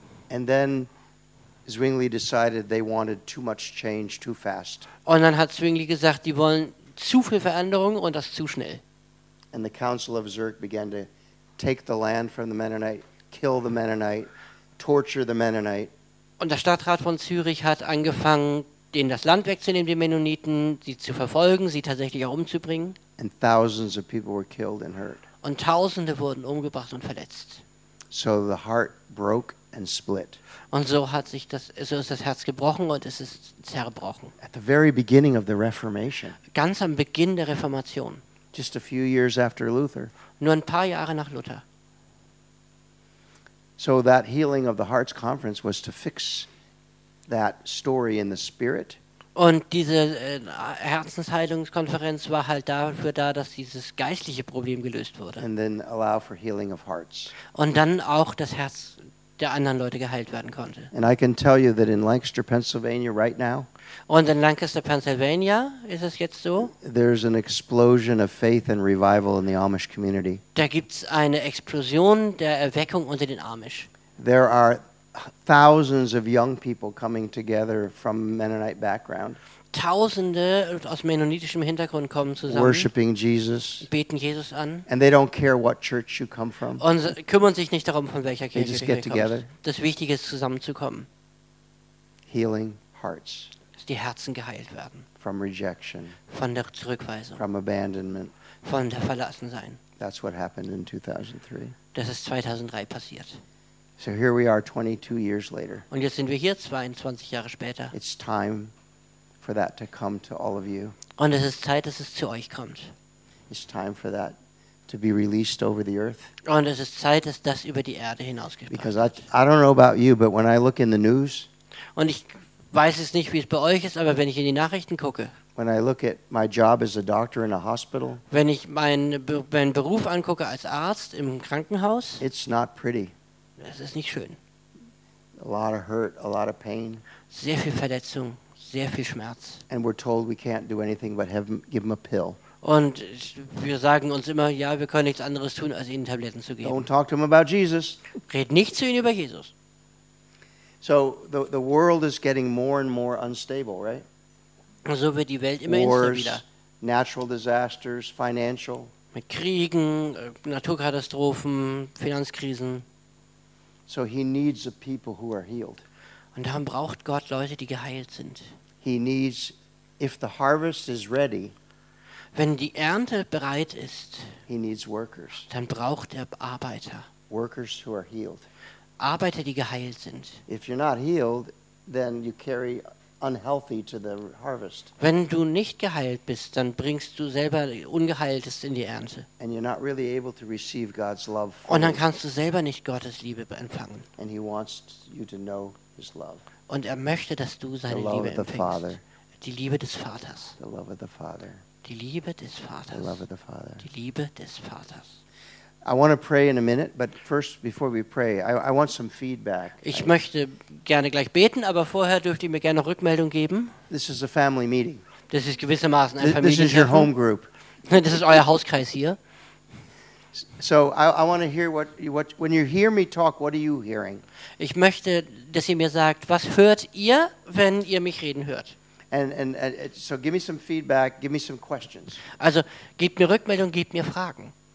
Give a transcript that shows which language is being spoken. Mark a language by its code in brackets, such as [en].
[en] And then Zwingli decided they wanted too much change too fast. [de] Und dann hat Zwingli gesagt, die wollen zu viel Veränderung und das zu schnell. [en] And the Council of Zurich began to take the land from the Mennonite, kill the Mennonite, torture the Mennonite. [de] Und der Stadtrat von Zürich hat angefangen, denen das Land wegzunehmen, den Mennoniten, sie zu verfolgen, sie tatsächlich auch umzubringen. [en] And thousands of people were killed and hurt. [de] Und Tausende wurden umgebracht und verletzt. [en] So the heart broke and split. [de] Und so hat sich das, so ist das Herz gebrochen und es ist zerbrochen. [en] At the very beginning of the Reformation. [de] Ganz am Beginn der Reformation. [en] Just a few years after Luther. [de] Nur ein paar Jahre nach Luther. [en] So that Healing of the Hearts conference was to fix that story in the spirit. [de] Und diese Herzensheilungskonferenz war halt dafür da, dass dieses geistliche Problem gelöst wurde. [en] And then allow for healing of hearts. [de] Und dann auch das Herz der anderen Leute geheilt werden konnte. [en] And I can tell you that in Lancaster, Pennsylvania right now. [de] Und in Lancaster, Pennsylvania, ist es jetzt so? [en] There's an explosion of faith and revival in the Amish community. [de] Da gibt's eine Explosion der Erweckung unter den Amish. [en] There are thousands of young people coming together from Mennonite background. [de] Tausende aus mennonitischem Hintergrund kommen zusammen. [en] Worshiping Jesus. [de] Beten Jesus an. [en] And they don't care what church you come from. [de] Und kümmern sich nicht darum, von welcher Kirche ihr kommt. [en] They just get together. [de] Das Wichtige ist, zusammenzukommen. [en] Healing hearts. [de] Die Herzen geheilt werden. [en] From rejection. [de] Von der Zurückweisung. [en] From abandonment. [de] Von der Verlassensein. [en] That's what happened in 2003. [de] Das ist 2003 passiert. [en] So here we are 22 years later. [de] Und jetzt sind wir hier 22 Jahre später. [en] It's time for that to come to all of you. [de] Und es ist Zeit, dass es zu euch kommt. [en] It's time for that to be released over the earth. [de] Und es ist Zeit, dass das über die Erde hinausgebracht wird. [en] Because I don't know about you, but when I look in the news. [de] Und ich weiß es nicht, wie es bei euch ist, aber wenn ich in die Nachrichten gucke, [en] when I look at my job as a doctor in a hospital, [de] wenn ich meinen Beruf angucke als Arzt im Krankenhaus, [en] it's not pretty. [de] Es ist nicht schön. [en] A lot of hurt, a lot of pain. [de] Sehr viel Verletzung, sehr viel Schmerz. [en] And we're told we can't do anything but give them a pill. [de] Und wir sagen uns immer, ja, wir können nichts anderes tun, als ihnen Tabletten zu geben. [en] Don't talk to them about Jesus. [de] Red nicht zu ihnen über Jesus. [en] So the world is getting more and more unstable, right? [de] So wird die Welt immer instabiler. [en] Wars, natural disasters, financial. [de] Mit Kriegen, Naturkatastrophen, Finanzkrisen. [en] So he needs the people who are healed. [de] Und darum braucht Gott Leute, die geheilt sind. [en] He needs, if the harvest is ready. [de] Wenn die Ernte bereit ist. [en] He needs workers. [de] Dann braucht er Arbeiter. [en] Workers who are healed. [de] Arbeiter, die geheilt sind. [en] If you're not healed, then you carry unhealthy to the harvest. [de] Wenn du nicht geheilt bist, dann bringst du selber Ungeheiltes in die Ernte. [en] And you're not really able to receive God's love. [de] Und dann kannst du selber nicht Gottes Liebe empfangen. [en] And he wants you to know his love. [de] Und er möchte, dass du seine Liebe empfängst. Die Liebe des Vaters. [en] The love of the Father. [de] Die Liebe des Vaters. [en] The love of the Father. [de] Die Liebe des Vaters. [en] I want to pray in a minute, but first, before we pray, I want some feedback. [de] Ich möchte gerne gleich beten, aber vorher dürft ihr mir gerne Rückmeldung geben. [en] This is a family meeting. [de] Das ist gewissermaßen ein Familientreffen. [en] This is your home group. [de] Das ist euer Hauskreis hier. [en] So I want to hear what when you hear me talk, what are you hearing? [de] Ich möchte, dass ihr mir sagt, was hört ihr, wenn ihr mich reden hört? [en] And so give me some feedback, give me some questions. [de] Also gebt mir Rückmeldung, gebt mir Fragen.